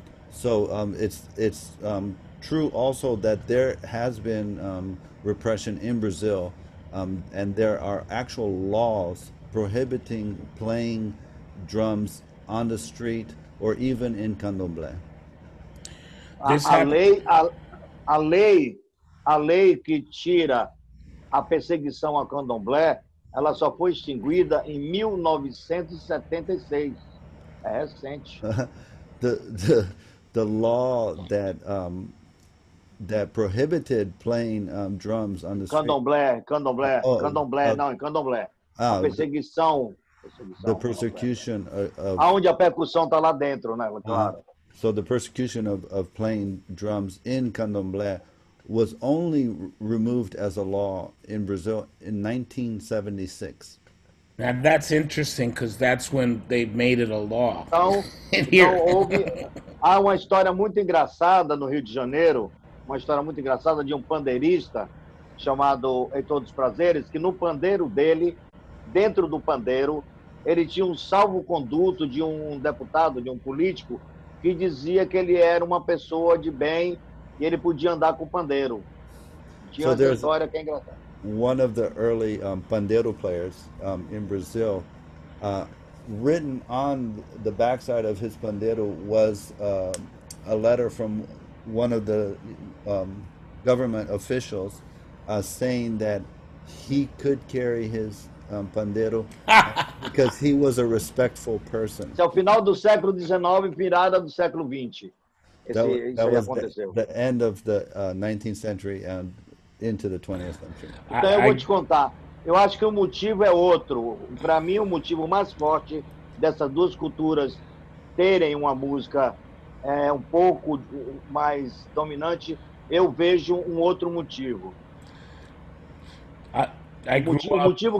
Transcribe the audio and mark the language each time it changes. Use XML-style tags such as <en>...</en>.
<en>So it's true also that there has been repression in Brazil. And there are actual laws prohibiting playing drums on the street or even in Candomblé.</en> <pt>A lei que tira a perseguição a Candomblé, ela só foi extinguida em 1976. É recente.</pt> <en>The law that prohibited playing drums on the candomblé, street.</en> <pt>Candomblé, oh, candomblé, candomblé, não, candomblé. A perseguição.</pt> <en>The persecution of...</en> <pt>Aonde a percussão está lá dentro, né? Claro.</pt> <en>So the persecution of playing drums in candomblé was only removed as a law in Brazil in 1976. Now that's interesting, because that's when they made it a law.</en> <pt>Então, há uma história muito engraçada no Rio de Janeiro, uma história muito engraçada de um pandeirista chamado Em Todos os Prazeres, que no pandeiro dele, dentro do pandeiro, ele tinha um salvo-conduto de um deputado, de um político, que dizia que ele era uma pessoa de bem e ele podia andar com o pandeiro. Tinha essa história que é engraçada.</pt> <en>One of the early pandeiro players in Brazil, written on the backside of his pandeiro was a letter from one of the government officials saying that he could carry his pandeiro because he was a respectful person.</en> <pt>É o final do século 19, virada do século 20.</pt> <en>That was the end of the 19th century and into the 20th century.</en> <pt>Então eu vou te contar. Eu acho que o motivo é outro. Para mim, o motivo mais forte dessas duas culturas terem uma música um pouco mais dominante, eu vejo um outro motivo. O motivo</pt>